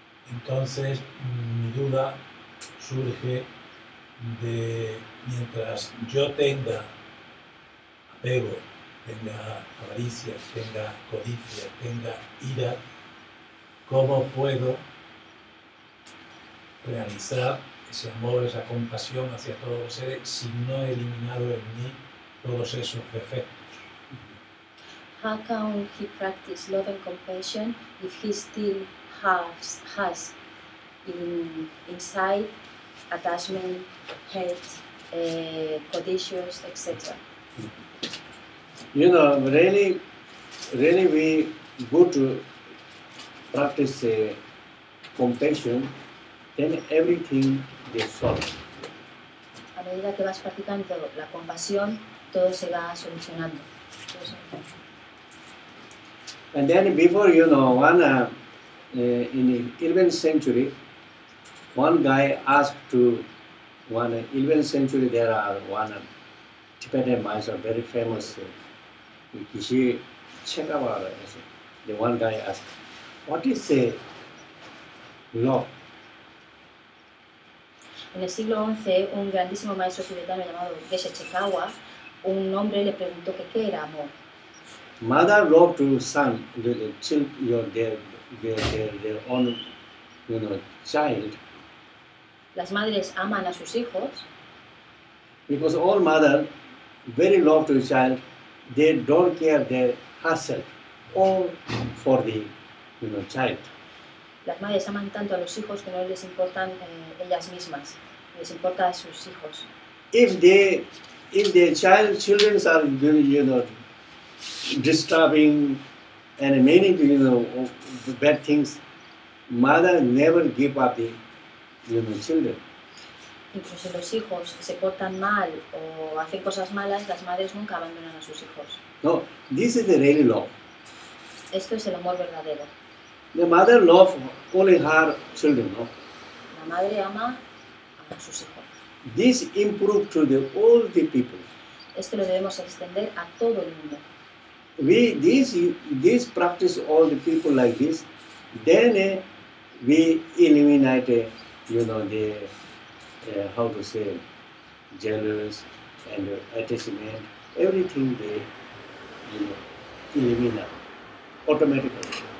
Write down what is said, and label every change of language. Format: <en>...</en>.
<es>Entonces, mi duda surge de mientras yo tenga apego, tenga avaricia, tenga codicia, tenga ira, ¿cómo puedo realizar ese amor, esa compasión hacia todos los seres si no he eliminado en mí todos esos defectos?</es> <en>How can he practice love and compassion if he still has inside attachment, hate, conditions, etc.? You know, really, really we good to practice compassion. Then everything is solved.</en> <es>A medida que vas practicando la compasión, todo se va solucionando.</es> <en>And then before, you know, one in the 11th century, one guy asked to one 11th century there are one Tibetan master very famous, Gishi Chekavara. The one guy asked, what is a law?</en> <es>En el siglo XI, un grandísimo maestro tibetano llamado Geshe Chekawa, un hombre le preguntó que qué era amor.</es> <en>Mother wrote to son, to the child, your their own, you know, child.</en> <es>Las madres aman a sus hijos.</es> <en>Because all mother very love to the child, they don't care their herself all for the, you know, child.</en> <es>Las madres aman tanto a los hijos que no les importan ellas mismas, les importa a sus hijos.</es> <en>If the children are, you know, disturbing and many, you know, bad things, mother never give up the, you know, children.</en> <es>Incluso si los hijos se portan mal o hacen cosas malas, las madres nunca abandonan a sus hijos.</es> <en>No, this is the real love.</en> <es>Esto es el amor verdadero.</es> <en>The mother love only her children, no?</en> <es>La madre ama a sus hijos.</es> <en>This improve to the all the people.</en> <es>Esto lo debemos extender a todo el mundo.</es> <en>We this practice all the people like this, then we eliminate, you know, the how to say, jealous and attachment, everything they, you know, eliminate automatically.</en>